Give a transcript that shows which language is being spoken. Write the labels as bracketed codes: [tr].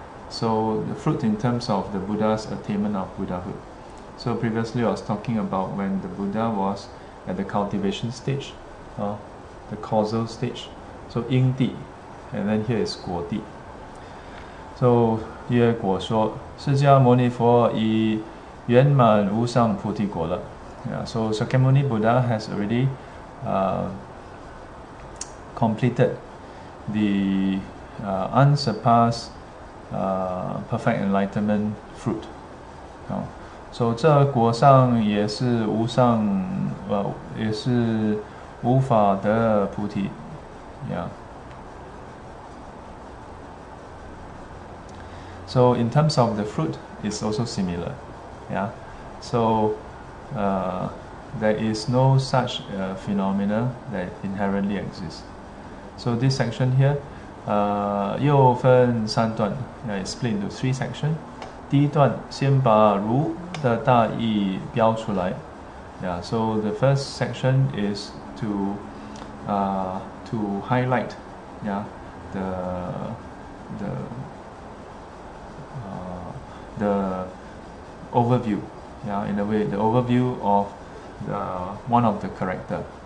[en] So the fruit in terms of the Buddha's attainment of Buddhahood. So previously I was talking about when the Buddha was at the cultivation stage, the causal stage. So 因地, and then here is 果地. [zh] So 约果说, 释迦牟尼佛以 圆满 无上 菩提 果了. [en] Yeah, so Shakyamuni Buddha has already completed the unsurpassed perfect enlightenment fruit. [zh] So 这果上也是无上, 也是无法的菩提. [en] Yeah. So in terms of the fruit, it's also similar. Yeah, so there is no such phenomena that inherently exists. So this section here, [zh] 又分三段, [en] yeah, it's split into three sections. [zh] 第一段, 先把如的大意标出来. [en] Yeah, so the first section is to highlight, yeah, the the overview, yeah, in a way, the overview of the, one of the character.